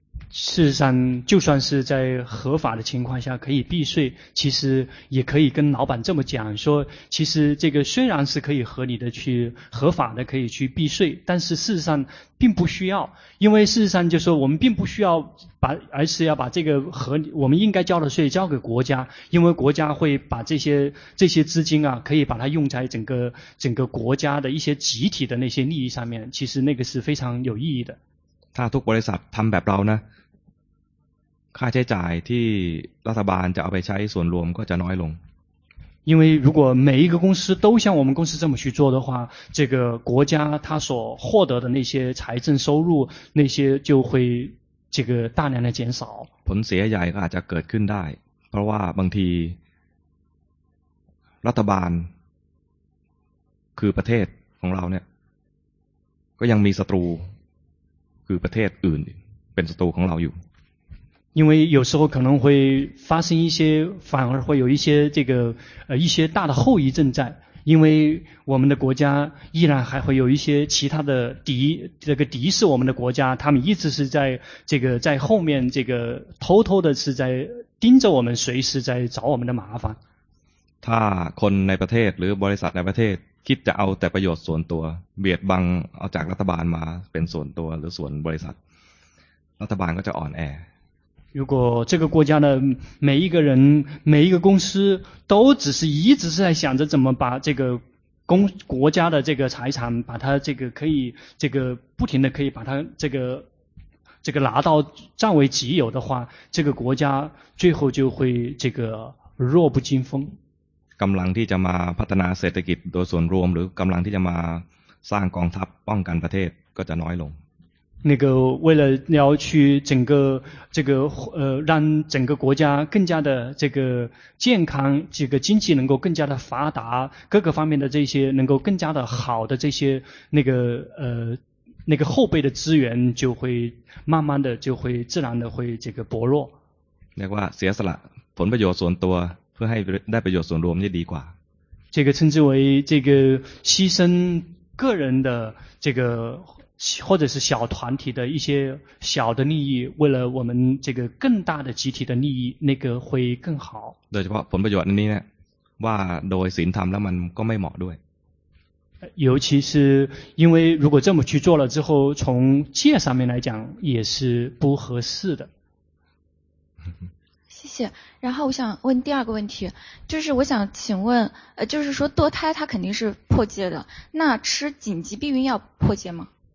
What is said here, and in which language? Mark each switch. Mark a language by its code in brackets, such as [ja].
[zh] 事实上就算是在合法的情况下可以避税其实也可以跟老板这么讲说其实这个虽然是可以合理的去合法的可以去避税但是事实上并不需要因为事实上就是说我们并不需要把而是要把这个合理我们应该交的税交给国家因为国家会把这些资金啊可以把它用在整个国家的一些集体的那些利益上面其实那个是非常有意义的 [th] ถ้าทุกบริษัททำแบบเรานะค่าใช้จ่ายที่รัฐบาลจะเอาไปใช้ส่วนรวมก็จะน้อยลง [zh] 因为如果每一个公司都像我们公司这么去做的话这个国家它所获得的那些财政收入那些就会这个大量的减少 [th] ผลเสียใหญ่ก็อาจจะเกิดขึ้นได้เพราะว่าบางทีรัฐบาลคือประเทศของเราเนี่ยก็ยังมีศัตรูคือประเทศอื่นเป็นศัตรูของเราอยู่ [zh] 因为有时候可能会发生一些反而会有一些这个一些大的后遗症在因为我们的国家依然还会有一些其他的敌这个敌视我们的国家他们一直是在这个在后面这个偷偷的是在盯着我们随时在找我们的麻烦 [th] ถ้าคนในประเทศหรือบริษัทในประเทศคิดจะเอาแต่ประโยชน์ส่วนตัวเบียดบังเอาจากรัฐบาลมาเป็นส่วนตัวหรือส่วนบริษัทรัฐบาลก็จะอ่อนแ [zh] อ如果这个国家的每一个人每一个公司都只是一直是在想着怎么把这个国家的这个财产把它这个可以这个不停的可以把它这个拿到占为己有的话这个国家最后就会这个弱不禁风 [th] กำลังที่จะมาพัฒนาเศรษฐกิจโดยส่วนรวมหรือกำลังที่จะมาสร้างกองทัพป้องกันประเทศก็จะน้อยลง [zh] 那个为了要去整个这个让整个国家更加的这个健康这个经济能够更加的发达各个方面的这些能够更加的好的这些那个后备的资源就会慢慢的就会自然的会这个薄弱 [th] เรียกว่าเสียสละผลประโยชน์ส่วนตัวเพื่อให้ได้ประโยชน์ส่วนรวมนี่ดีกว่า [zh] 这个称之为这个牺牲个人的这个或者是小团体的一些小的利益，为了我们这个更大的集体的利益，那个会更好。 [th] โดยเฉพาะผลประโยชน์นี้เนี่ยว่าโดยศีลธรรมแล้วมันก็ไม่เหมาะด้วย。 [zh] 尤其是因为如果这么去做了之后，从戒上面来讲也是不合适的。谢谢。然后我想问第二个问题，就是我想请问，就是说堕胎它肯定是破戒的，那吃紧急避孕药破戒吗？